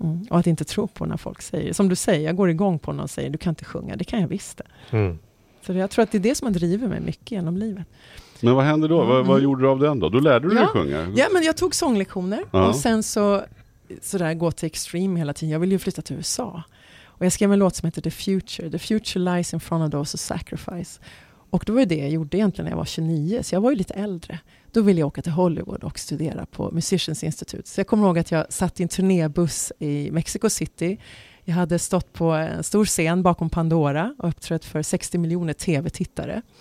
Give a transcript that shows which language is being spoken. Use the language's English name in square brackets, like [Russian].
[Swedish] Och att inte tro på när folk säger, som du säger, jag går igång på någon och säger du kan inte sjunga, det kan jag visst det. Så jag tror att det är det som har drivit mig mycket genom livet. Men vad hände då? Vad gjorde du av den då? Då lärde du dig att sjunga. Ja, men jag tog sånglektioner och sen så där gå till extreme hela tiden. Jag ville ju flytta till USA. Och jag skrev en låt som heter The Future. [English] The Future Lies in Front of Those Who Sacrifice. [Swedish] Och det var ju det jag gjorde egentligen när jag var 29. Så jag var ju lite äldre. Då ville jag åka till Hollywood och studera på Musicians Institute. Så jag kommer ihåg att jag satt i en turnébuss i Mexico City. Jag hade stått på en stor scen bakom Pandora och uppträtt för 60 miljoner tv-tittare.